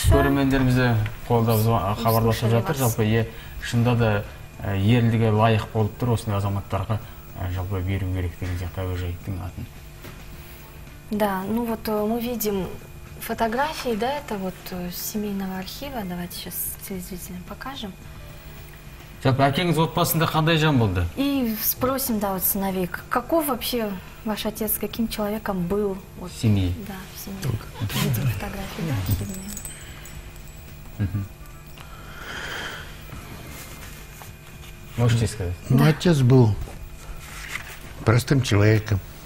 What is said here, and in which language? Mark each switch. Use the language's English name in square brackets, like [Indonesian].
[Kazakh] көрермендерімізді қолдап хабарласып жатыр. Жалпы, шында да ерлігі лайық болып тұр осындай азаматтарға жалпы беру керек деген сияқты өжейдің атын. [Russian] Да, ну вот мы видим фотографии, да, это вот семейного архива. Давайте сейчас телезрителям покажем. [Kazakh] Жалпы, әкеңіз отбасында қандай жан болды? [Russian] И спросим, да, вот сыновей, каков вообще ваш отец, каким человеком был? Вот, семьи. Да, в семье. Видите фотографии, да, в семье. Можете сказать? Ну, да. Отец был простым человеком.